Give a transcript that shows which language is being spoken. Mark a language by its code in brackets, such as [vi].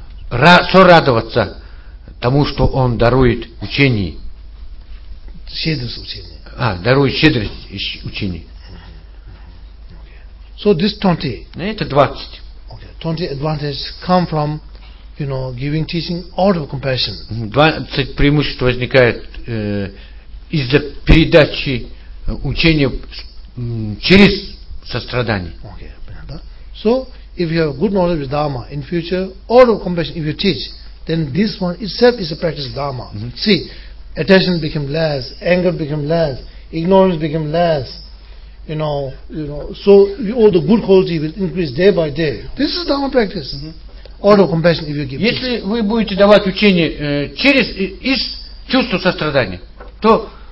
[ru] Сорадоваться тому, что он дарует учение. Щедрость учения. Дарует щедрость учения. [en] So this 20. [ru] Это 20. [en] Okay. 20 advantages come from, you know, giving teaching out of compassion. [ru] 20 преимуществ возникает из-за передачи учения через сострадание. [en] Okay. So if you have good knowledge of Dharma in future, out of compassion, if you teach, then this one itself is a practice of Dharma. See, attention become less, anger become less, ignorance become less. You know. So all the good quality will increase day by day. This is Dharma practice. Out of compassion, if you give. [ru] Если вы будете давать учение через из чувства сострадания, то